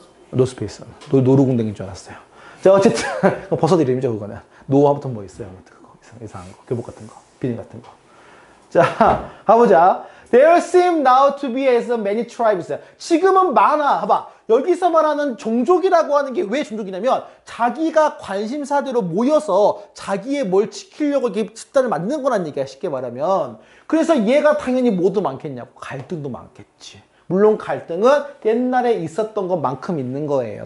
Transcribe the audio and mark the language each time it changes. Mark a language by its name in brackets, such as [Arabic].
[Korean] 노스페이스. 노루궁뎅인 줄 알았어요. 자, 어쨌든. 버섯 이름이죠, 그거는. 노하부터 뭐 있어요. 그거 이상한 거. 교복 같은 거. 비닐 같은 거. 자, 가보자. [English] There seem now to be에서 many tribes. [Korean] 지금은 많아. 봐봐. 여기서 말하는 종족이라고 하는 게 왜 종족이냐면 자기가 관심사대로 모여서 자기의 뭘 지키려고 이렇게 집단을 만드는 거란 얘기야. 쉽게 말하면. 그래서 얘가 당연히 뭐도 많겠냐고. 갈등도 많겠지. 물론 갈등은 옛날에 있었던 것만큼 있는 거예요.